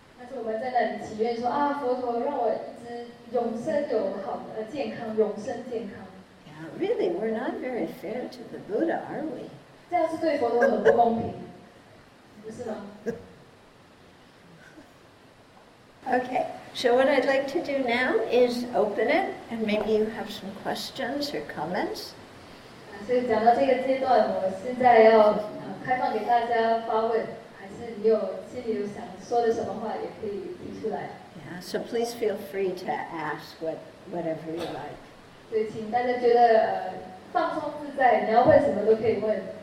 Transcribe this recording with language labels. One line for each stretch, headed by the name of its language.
Chinese: 但是我们在那里祈愿说，佛陀让我一直永生有好的健康，永生健康。
English: Yeah, really, we're not very fair to the Buddha, are we?
Chinese: 这样是对佛陀很不公平，不是吗？
English: Okay, so what I'd like to do now is open it, and maybe you have some questions or comments.
Chinese: 所以讲到这个阶段，我现在要开放给大家发问，还是你有心里有想说的什么话，也可以提出来。
English: Yeah, so please feel free to ask whatever you like.
Chinese: 对，请大家觉得放松自在，你要问什么都可以问。